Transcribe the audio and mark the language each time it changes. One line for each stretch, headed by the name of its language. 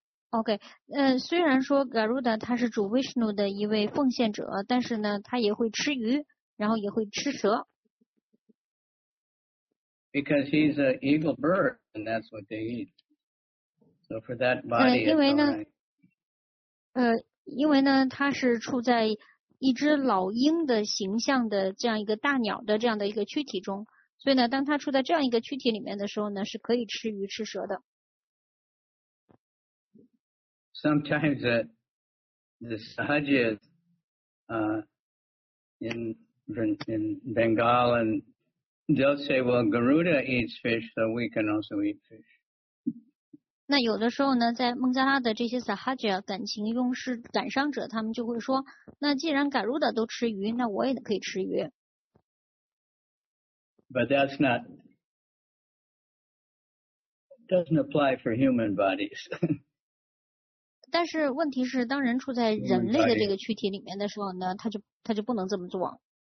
Chinese: OK, 虽然说 Garuda 他是主 Vishnu 的一位奉献者，但是呢他也会吃鱼，然后也会吃蛇。
English: Because he's an eagle bird, and that's what they eat. So for that body,
Chinese: 因为呢他是处在一只老鹰的形象的这样一个大鸟的这样的一个躯体中，所以呢当他处在这样一个躯体里面的时候呢，是可以吃鱼吃蛇的。
English: Sometimes the sahajas in Bengal and they'll say, well, Garuda eats fish, so we can also eat fish.
Chinese: 那有的时候呢，在孟加拉的这些 sahaja 感情用事感伤者，他们就会说，那既然 Garuda 都吃鱼，那我也可以吃鱼。
English: But that's not, doesn't apply for human bodies.
Chinese: 但是问题是当人处在人类的这个躯体里面的时候呢，他就不能这么做。